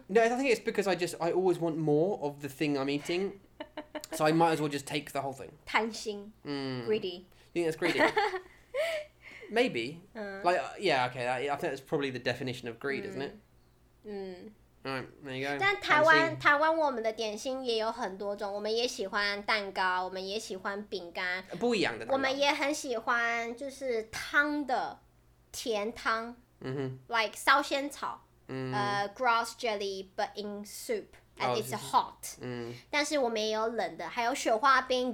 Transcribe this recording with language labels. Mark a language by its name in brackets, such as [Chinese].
[English] No, I think it's because I always want more of the thing I'm eating, so I might as well just take the whole thing. [Chinese] 贪心. [English] Greedy. You think that's greedy? Maybe. I think that's probably the definition of greed, isn't it? Alright, there you go. [Chinese] 但台湾我们的点心也有很多种，我们也喜欢蛋糕，我们也喜欢饼干，不一样的蛋糕。我们也很喜欢就是汤的甜汤，嗯哼，like 烧仙草，嗯 [English] ，grass jelly but in soup and it's hot。嗯， [Chinese] 但是我们也有冷的，还有雪花冰。